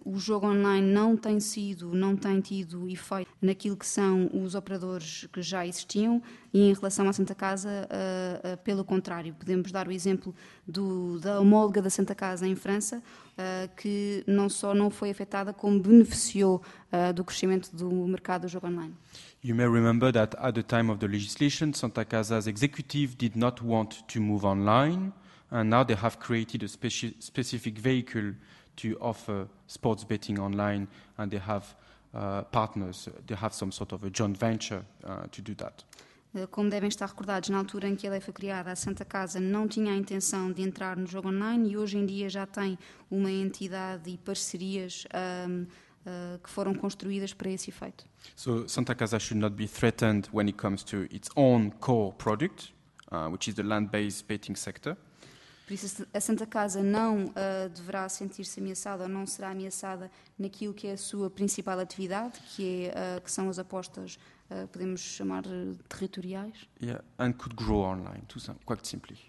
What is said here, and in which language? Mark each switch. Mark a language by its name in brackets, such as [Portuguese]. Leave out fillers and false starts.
[Portuguese] O jogo online não tem tido efeito naquilo que são os operadores que já existiam e em relação à Santa Casa, pelo contrário. Podemos dar o exemplo da homóloga da Santa Casa em França, que não só não foi afetada, como beneficiou do crescimento do mercado do jogo online. [English] You may remember that at the time of the legislation, Santa Casa's executive did not want to move online. And now they have created a specific vehicle to offer sports betting online, and they have partners. They have some sort of a joint venture to do that. [Portuguese] Como devem estar recordados, na altura em que a lei foi criada, a Santa Casa não tinha a intenção de entrar no jogo online, e hoje em dia já tem uma entidade e parcerias que foram construídas para esse efeito. [English] So Santa Casa should not be threatened when it comes to its own core product, which is the land-based betting sector. [Portuguese] Por isso, a Santa Casa não deverá sentir-se ameaçada ou não será ameaçada naquilo que é a sua principal atividade, que são as apostas, podemos chamar, territoriais. [English] Yeah, and could grow online, too, quite simply.